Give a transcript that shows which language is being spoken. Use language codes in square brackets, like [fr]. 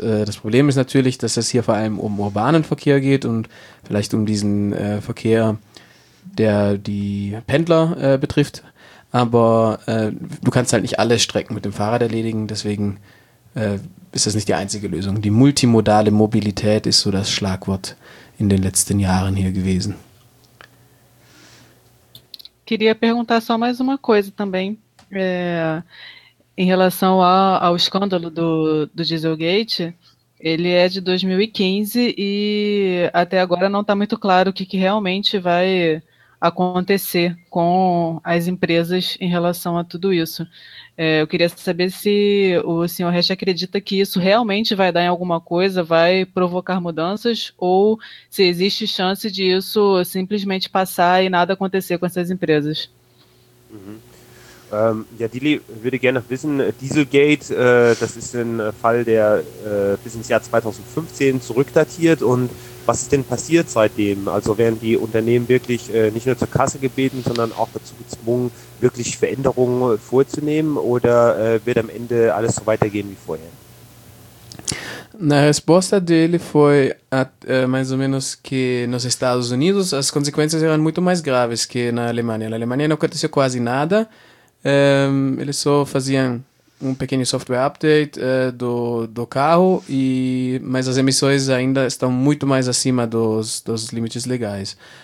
[de] Das Problem ist natürlich, dass es hier vor allem um urbanen Verkehr geht und vielleicht um diesen Verkehr, der die Pendler betrifft. Aber du kannst halt nicht alle Strecken mit dem Fahrrad erledigen, deswegen ist das nicht die einzige Lösung. Die multimodale Mobilität ist so das Schlagwort in den letzten Jahren hier gewesen. [pt] Queria perguntar só mais uma coisa também, em relação ao escândalo do Dieselgate. Ele é de 2015 e até agora não está muito claro o que realmente vai acontecer com as empresas em relação a tudo isso. Eu queria saber se o senhor Hesch acredita que isso realmente vai dar em alguma coisa, vai provocar mudanças, ou se existe chance de isso simplesmente passar e nada acontecer com essas empresas. [de] Ja, Dili würde gerne noch wissen, Dieselgate, das ist ein Fall, der bis ins Jahr 2015 zurückdatiert, und was ist denn passiert seitdem? Also werden die Unternehmen wirklich nicht nur zur Kasse gebeten, sondern auch dazu gezwungen, wirklich Veränderungen vorzunehmen, oder wird am Ende alles so weitergehen wie vorher? [es] La respuesta de él fue más o menos que en los Estados Unidos las consecuencias eran mucho más graves que en Alemania. En Alemania no aconteció casi nada. [pt] Eles só faziam um pequeno software update do carro, mas as emissões ainda estão muito mais acima dos limites legais.